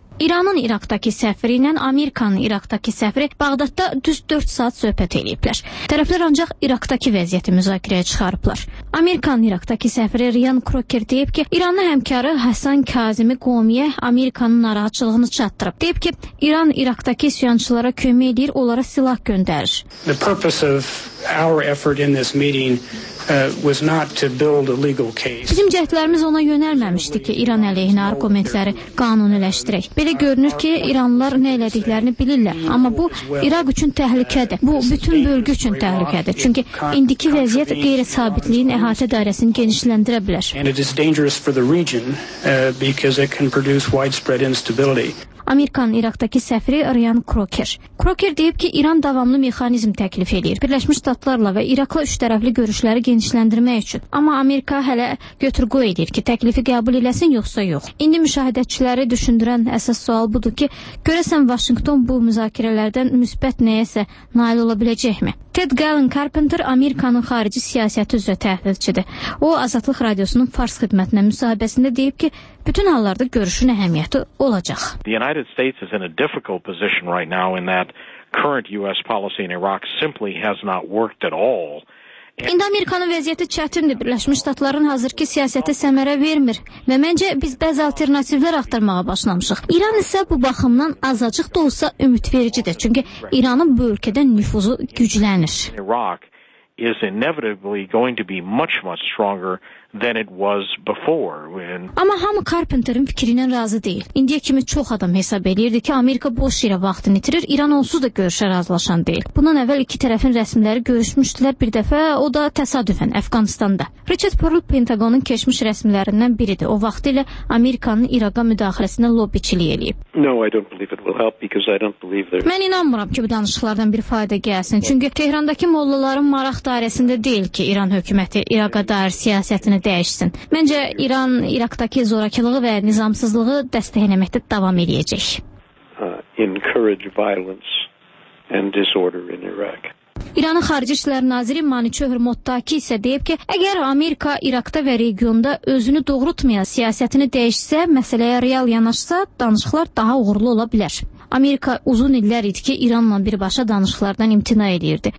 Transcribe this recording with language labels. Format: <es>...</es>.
<az>İranın İraqdakı səfiri ilə Amerikanın İraqdakı səfiri Bağdatda düz 4 saat söhbət ediblər. Tərəflər ancaq İraqdakı vəziyyəti müzakirəyə çıxarıblar. Amerikanın İraqdakı səfiri Ryan Crocker deyib ki, İranlı həmkarı Həsən Kazimi Qomiyə Amerikanın narahatçılığını çatdırıb. Deyib ki, İran İraqdakı isyançılara kömək edir, onlara silah göndərir.</az> <en>The purpose of our effort in this meeting was not to build a legal case.</en> <az>Bizim cəhdlərimiz ona yönəlməmişdi ki, İran əleyhinə argumentləri qanuniləşdirək. Belə görünür ki, İranlılar nə elədiklərini bilirlər. Amma bu, İraq üçün təhlükədir. Bu, bütün bölgü üçün təhlükədir. Çünki indiki vəziyyət qeyri-sabitliyin əhatə dairəsini genişləndirə bilər.</az> <en>And it is dangerous for the region because it can produce widespread instability.</en> <az>Amerikanın İraqdakı səfiri Ryan Crocker. Crocker deyib ki, İran davamlı mexanizm təklif edir. Birləşmiş Ştatlarla və İraqla üçtərəfli görüşləri genişləndirmək üçün. Amma Amerika hələ götür-qoy edir ki, təklifi qəbul eləsin, yoxsa yox. İndi müşahidəçiləri düşündürən əsas sual budur ki, görəsən Vaşinqton bu müzakirələrdən müsbət nəyəsə nail ola biləcəkmi? Ted Galen Carpenter Amerikanın xarici siyasəti üzrə təhlilçidir. O, Azadlıq Radiosunun Fars xidmətinə müsahibəsində deyib ki, bütün hallarda görüşün əhəmiyyəti olacaq.</az> <en>The United States is in a difficult position right now in that current US policy in Iraq simply has not worked at all.</en> <az>İndi Amerikanın vəziyyəti çətindir. Birləşmiş Ştatların hazırki siyasəti səmərə vermir və məncə biz bəzi alternativlər axtarmağa başlamışıq. İran isə bu baxımdan azacıq da olsa ümidvericidir, çünki İranın bu ölkədə nüfuzu güclənir.</az> <en>Iraq is inevitably going to be much much stronger than it was before. When...</en> <az>Amma hamı Carpenter'ın fikrinə razı deyil. İndiyə kimi çox adam hesab edirdi ki, Amerika boş yerə vaxtını itirir, İran onsuz da görüşə razılaşan deyil. Bundan əvvəl iki tərəfin rəsmiləri görüşmüşdülər bir dəfə, o da təsadüfən Əfqanıstanda. Richard Perle Pentagonun keçmiş rəsmilərindən biridir. O vaxtilə Amerikanın İraqa müdaxiləsinə lobbiçilik eləyib.</az> <en>No, I don't believe it will help because I don't believe there.</en> <az>Mən inanmıram ki, bu danışıqlardan bir fayda gəlsin. Çünki Tehrandakı mollaların maraq dairəsində deyil ki, İran hökuməti İraqa dair siyasətini dəyişsin. Məncə İran İraqdakı zorakılığı və nizamsızlığı dəstəkləməkdə davam edəcək.</az> <en>Encourage violence and disorder in Iraq.</en> <az>İranın Xarici İşlər Naziri Manuçehr Mottaki isə deyib ki, əgər Amerika İraqda və regionda özünü doğrultmaya siyasətini dəyişsə, məsələyə real yanaşsa, danışıqlar daha uğurlu ola bilər. Amerika uzun illər idi ki, İranla birbaşa danışıqlardan imtina edirdi.</az>